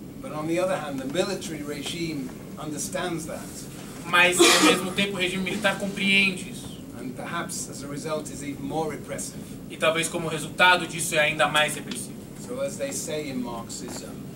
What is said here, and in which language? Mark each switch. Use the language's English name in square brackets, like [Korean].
[English] But on the other hand, the military regime understands that. [Portuguese] Mas ao mesmo tempo o regime militar compreende isso. [English] And perhaps as a result is even more repressive. [Portuguese] E talvez como resultado disso é ainda mais repressivo. [English] So as they say in Marxism.